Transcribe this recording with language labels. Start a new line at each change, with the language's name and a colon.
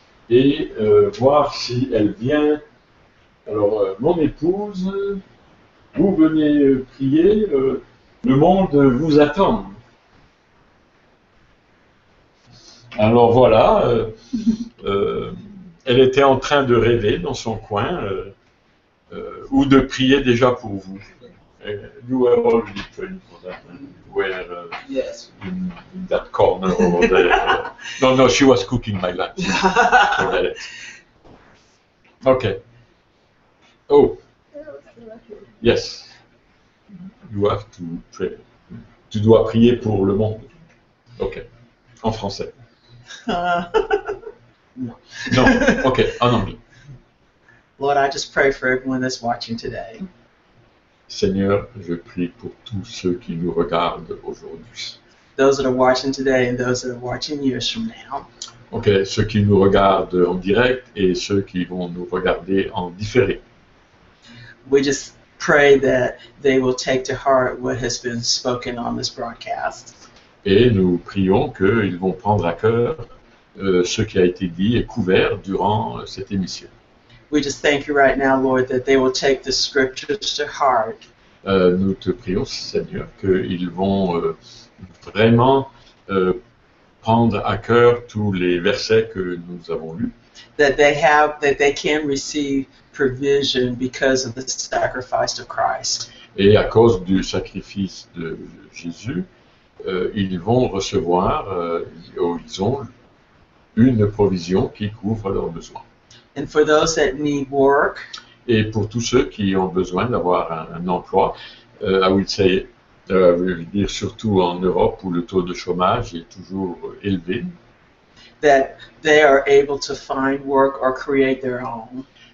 French: et voir si elle vient. Alors, mon épouse, vous venez prier, le monde vous attend. Alors voilà, elle était en train de rêver dans son coin, ou de prier déjà pour vous.
English: You were already praying for that. You were in that corner over there. No, no, she was cooking my lunch. Forget it. Okay. Oh. Yes. You have to pray.
French: Tu dois prier pour le monde. Okay. En français. Non. Non. Okay. En anglais.
English: Lord, I just pray for everyone that's watching today.
French: Seigneur, je prie pour tous ceux qui nous regardent aujourd'hui.
English: Those that are watching today and those that are watching years from now.
French: OK, ceux qui nous regardent en direct et ceux qui vont nous regarder en différé.
English: We just pray that they will take to heart what has been spoken on this broadcast.
French: Et nous prions qu'ils vont prendre à cœur ce qui a été dit et couvert durant cette émission.
English: We just thank you right now, Lord, that they will take the scriptures to heart.
French: Nous te prions, Seigneur, qu'ils vont vraiment prendre à cœur tous les versets que nous avons lus.
English: That they can receive provision because of the sacrifice of Christ.
French: Et à cause du sacrifice de Jésus, ils vont recevoir, ils ont une provision qui couvre leurs besoins.
English: And for those that need work,
French: et pour tous ceux qui ont besoin d'avoir un emploi, je veux dire surtout en Europe où le taux de chômage est toujours élevé,
English: that they are able to find work or create their own.